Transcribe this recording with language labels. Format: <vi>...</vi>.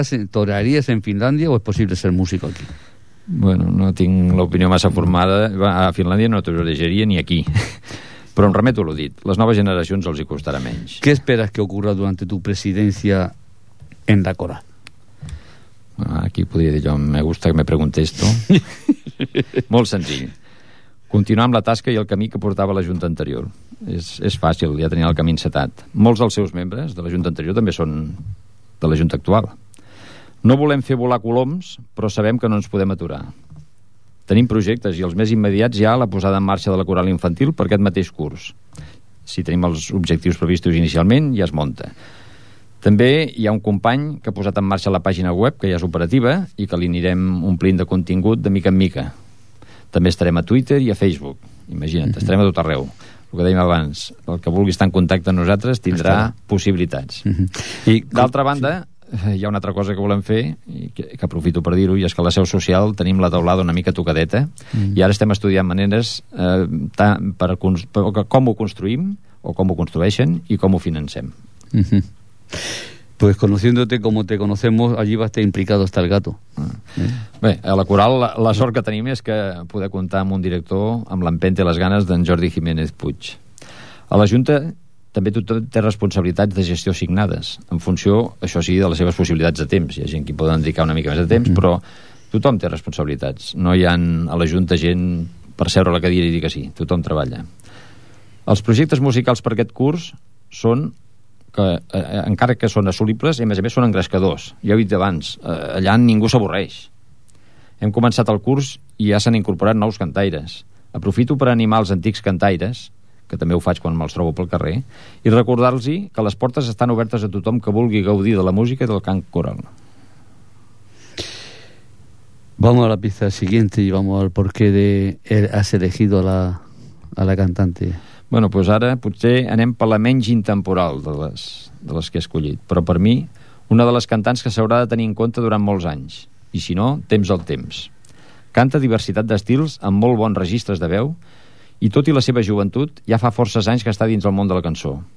<es>¿Torearías en Finlandia o es posible ser músico aquí?</es> <ca>Bueno, no tinc l'opinió massa formada. A Finlàndia no torejaria ni aquí. Però em remeto a lo dit. Les noves generacions els hi costarà menys.</ca> <es>¿Qué esperas que ocurra durante tu presidencia en la coral?</es> <ca>Aquí podria dir jo,</ca> <es>me gusta que me preguntes esto.</es> <ca>Molt senzill. Continuar amb la tasca i el camí que portava la Junta anterior. És fàcil, ja tenia el camí encetat. Molts dels seus membres de la Junta anterior també són de la Junta actual. No volem fer volar coloms, però sabem que no ens podem aturar. Tenim projectes i els més immediats ja la posada en marxa de la coral infantil per aquest mateix curs. Si tenim els objectius previstos inicialment, ja es munta. També hi ha un company que ha posat en marxa la pàgina web, que ja és operativa, i que li anirem omplint de contingut de mica en mica. També estarem a Twitter i a Facebook. Imagina't, estarem a tot arreu. El que dèiem abans, el que vulgui estar en contacte amb nosaltres tindrà possibilitats. I d'altra banda, hi ha una altra cosa que volem fer, i que aprofito per dir-ho, i és que a la seu social tenim la taulada una mica tocadeta, i ara estem estudiant maneres com ho construïm, o com ho construeixen, i com ho financem.</ca> <es>Pues conociéndote como te conocemos, allí va a estar implicado hasta el gato.</es> <ca>Bé, a la coral la sort que tenim és que poder comptar amb un director amb l'empenta i les ganes d'en Jordi Jiménez Puig. A la Junta també tothom té responsabilitats de gestió assignades, en funció, això sí, de les seves possibilitats de temps. Hi ha gent que poden dedicar una mica més de temps, però tothom té responsabilitats. No hi ha a la Junta gent per seure la cadira i dir que sí, tothom treballa. Els projectes musicals per aquest curs són que encara que són assolibles, i a més són engrescadors. Ja ho he dit abans, allà ningú s'avorreix. Hem començat el curs i ja s'han incorporat nous cantaires. Aprofito per animar els antics cantaires, que també ho faig quan me'ls trobo pel carrer, i recordar-los que les portes estan obertes a tothom que vulgui gaudir de la música i del cant coral.</ca> <es>Vamos a la pista siguiente y vamos al porqué de has elegido a la cantante.</es> <ca>Bueno, pues ara potser anem per la menys intemporal de les que he escollit. Però per mi, una de les cantants que s'haurà de tenir en compte durant molts anys. I si no, temps al temps. Canta diversitat d'estils amb molt bons registres de veu i tot i la seva joventut, ja fa forces anys que està dins el món de la cançó.</ca>